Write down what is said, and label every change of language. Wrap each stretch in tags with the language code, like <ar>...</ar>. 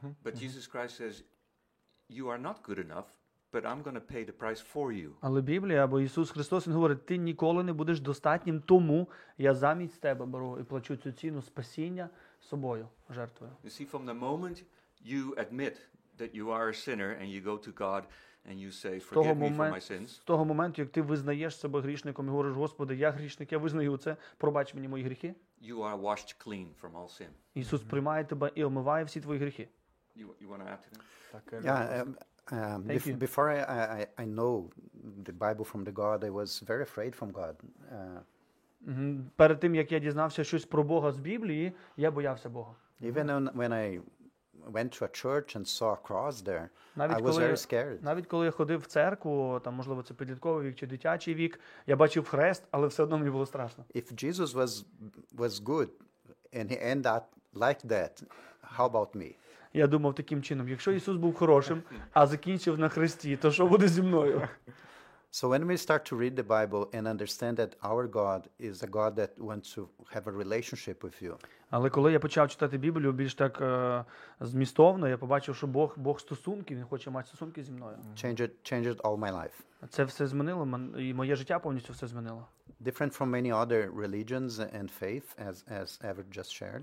<en>But Jesus Christ says, you are not good enough, but I'm going to pay the price for you.</en> <uk>Але Біблія або Ісус Христос, він говорить: ти ніколи не будеш достатнім, тому я замість тебе беру і плачу цю ціну спасіння собою, жертвою.</uk> <en>You see, from the moment you admit that you are a sinner and you go to God and you say, forgive me for my sins.</en> <uk>З того моменту, як ти визнаєш себе грішником і говориш: Господи, я грішник, я визнаю це, пробач мені мої гріхи.</uk> <en>You are washed clean from all sin.</en> <uk>Ісус приймає тебе і омиває всі твої гріхи.</uk> <en>You want to add to that?</en> <uk>Так,</uk> <en>Before I know the Bible from the God, I was very afraid from God.</en> <uk>Перед тим, як я дізнався щось про Бога з Біблії, я боявся Бога.</uk> <en>Even when I went to a church and saw a cross there,</en> <uk>навіть</uk> <en>I was very scared.</en> <uk>Навіть коли я ходив в церкву, там, можливо, це підлітковий вік чи дитячий вік, я бачив хрест, але все одно мені було страшно.</uk> <en>If Jesus was good and he ended up like that, how about me?</en> <uk>Я думав таким чином: якщо Ісус був хорошим, а закінчив на хресті, то що буде зі мною?</uk> <en>So when we start to read the Bible and understand that our God is a God that wants to have a relationship with you.</en> <uk>Але коли я почав читати Біблію більш так змістовно, я побачив, що Бог стосунки, він хоче мати стосунки зі мною.</uk> <en>Changed all my life.</en> <uk>Це все змінило мене, і моє життя повністю все змінило.</uk> <en>Different from many other religions and faith, as Edward just shared.</en>